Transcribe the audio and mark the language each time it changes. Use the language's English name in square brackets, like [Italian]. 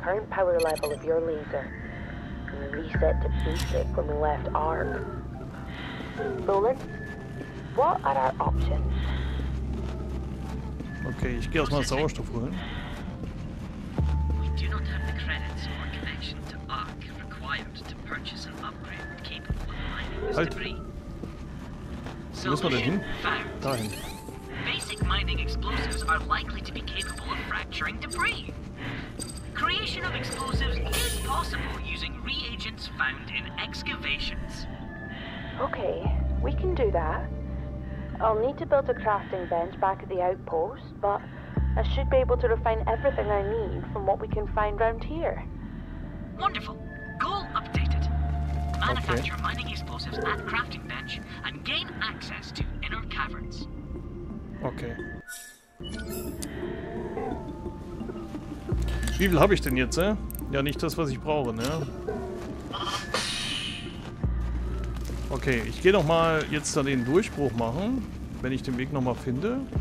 [English] Power level of your laser and reset to basic when we left ARC. Roland, what are our options? [German] Okay, ich geh erstmal Sauerstoff holen. [English] We do not have the credits or connection to ARC required to purchase an upgrade capable of mining this debris. [German] Wo ist man denn hin? Dahin. [English] Basic mining explosives are likely to be capable of fracturing debris. Creation of explosives is possible using reagents found in excavations. Okay, we can do that. I'll need to build a crafting bench back at the outpost, but I should be able to refine everything I need from what we can find around here. Wonderful. Goal updated. Manufacture mining explosives at crafting bench and gain access to inner caverns. Okay. [German] Wie viel habe ich denn jetzt, Ja, nicht das, was ich brauche, ne? Okay, ich gehe nochmal jetzt dann den Durchbruch machen, wenn ich den Weg nochmal finde.